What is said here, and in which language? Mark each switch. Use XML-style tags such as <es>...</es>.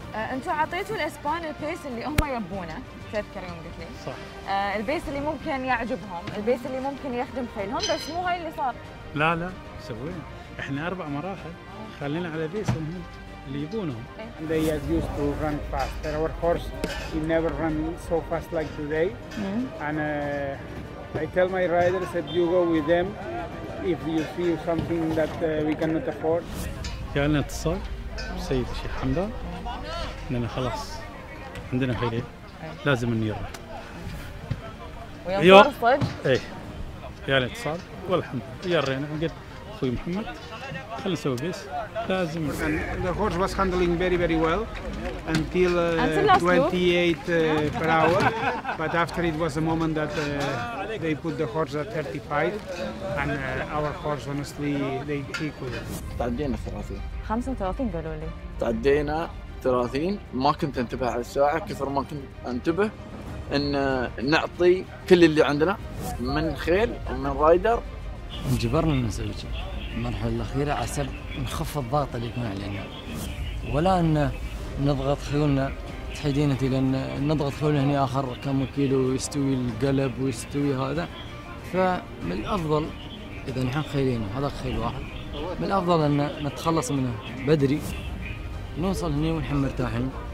<ar>أنتوا عطيتوا الأسبان البيس اللي هم يبونه تذكر يوم قلت لي صح البيس اللي ممكن يعجبهم البيس اللي ممكن يخدم خيلهم بس مو هاي اللي صار. لا لا سوينا إحنا أربع مراحل خلينا على بيس هم اللي يبونهم.</ar> <en>They are used to run faster. Our horse he never run so fast like today. And I tell my riders that you go with them if you see something that we cannot afford.</en> <ar>جالنا اتصال سيد الشيخ حمدان اننا خلاص عندنا خيلين لازم اني يروح وينصار الصج؟ ايه جالنا اتصال والحمد لله يرينا قلت اخوي محمد خلنا نسوي بيس لازم</ar> <en>and the horse was handling very very well until 28 per hour but after it was a moment that they put the horse at 35 and our horse honestly they kick with it.</en> <ar>تعدينا 30 35 قالوا لي تعدينا 30 ما كنت انتبه على الساعة كثر ما كنت انتبه ان نعطي كل اللي عندنا من خيل ومن رايدر انجبرنا نسويه المرحلة الأخيرة عسب نخف الضغط اللي يكون علينا ولا أن نضغط خيولنا تحيدينا لأن نضغط خيولنا هنا آخر كم كيلو يستوي القلب ويستوي هذا فمن الأفضل إذا نحن خيلين هذا خيل واحد من الأفضل أن نتخلص منه بدري نوصل هنا ونحن مرتاحين.</ar>